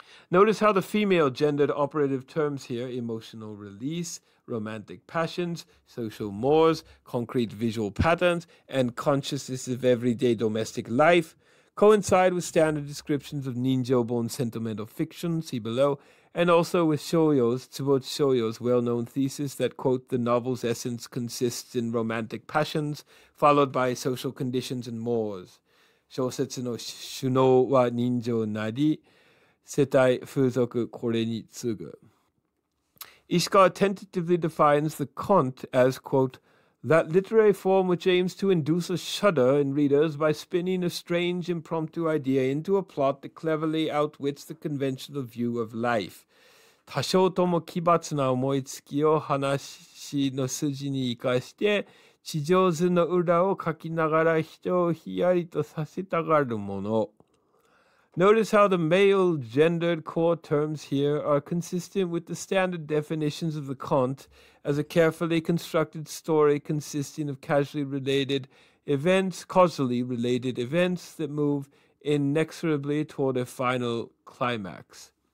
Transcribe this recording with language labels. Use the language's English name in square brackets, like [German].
[English] Notice how the female gendered operative terms here, emotional release, romantic passions, social mores, concrete visual patterns, and consciousness of everyday domestic life, coincide with standard descriptions of ninjo-born sentimental fiction, see below, and also with Tsubo Shōyō's well-known thesis that, quote, the novel's essence consists in romantic passions, followed by social conditions and mores. [Japanese] 小説の首脳は人情なり、世帯風俗これに次ぐ。 [English] Ishikawa tentatively defines the Conte as, quote, that literary form which aims to induce a shudder in readers by spinning a strange impromptu idea into a plot that cleverly outwits the conventional view of life. [Japanese] 多少とも奇抜な思いつきを話の筋に生かして、地上図の裏を描きながら人をひやりとさせたがるもの。 [English] Notice how the male gendered core terms here are consistent with the standard definitions of the Conte as a carefully constructed story consisting of casually related events, causally related events that move inexorably toward a final climax.